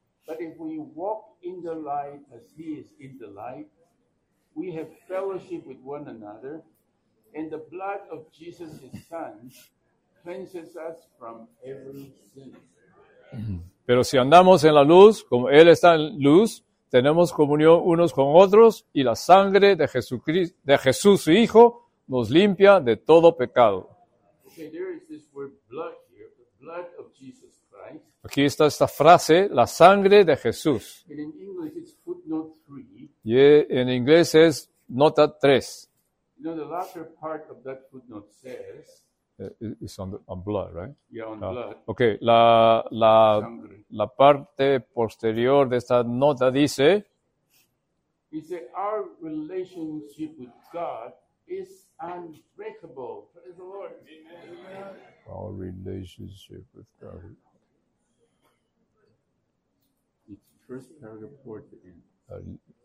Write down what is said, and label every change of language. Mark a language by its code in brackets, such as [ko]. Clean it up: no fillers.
[en] But if we walk in the light as he is in the light, we have fellowship with one another, and the blood of Jesus his son cleanses us from every sin. [es] Pero si andamos en la luz, como Él está en luz, tenemos comunión unos con otros y la sangre de Jesucristo, de Jesús su Hijo, nos limpia de todo pecado. [en] Okay, there is this word blood here, the blood of Jesus Christ. [es] Aquí está esta frase, la sangre de Jesús. [en] And in English it's footnote 3. [es] Y en inglés es nota 3. [en] You know, the latter part of that footnote says, it's on blood, right? Yeah, on blood. [es] Okay, la parte posterior de esta nota dice, [en] it says our relationship with God is unbreakable. Praise the Lord. Amen. Our relationship with God. It's first paragraph toward the end.